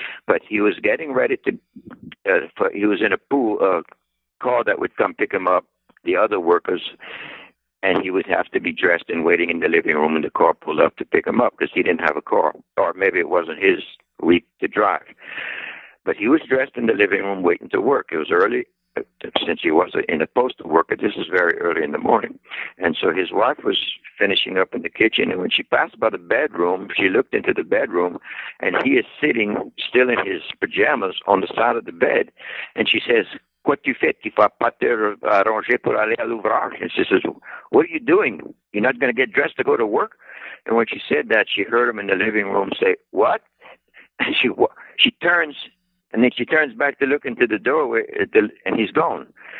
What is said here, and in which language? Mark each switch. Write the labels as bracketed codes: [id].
[en] But he was getting ready to, he was in a pool, a car that would come pick him up, the other workers, and he would have to be dressed and waiting in the living room when the car pulled up to pick him up, because he didn't have a car, or maybe it wasn't his week to drive. But he was dressed in the living room waiting to work. It was early since he was in a postal worker, this is very early in the morning. And so his wife was finishing up in the kitchen, and when she passed by the bedroom, she looked into the bedroom, and he is sitting still in his pajamas on the side of the bed. [fr] And she says, "Quoi tu fais? Tu vas pas te ranger pour aller à l'ouvrage?" [en] And she says, "What are you doing? You're not going to get dressed to go to work?" And when she said that, she heard him in the living room say, "What?" And she turns, and then she turns back to look into the doorway, and he's gone.